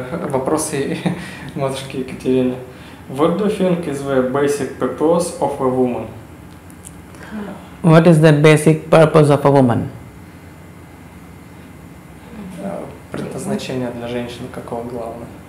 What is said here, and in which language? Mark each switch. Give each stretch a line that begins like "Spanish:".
Russian: Вопросы матушки Екатерины.
English: What do you think is the basic purpose of a woman? What is the basic purpose of a woman?
Russian: Предназначение для женщины какого главное?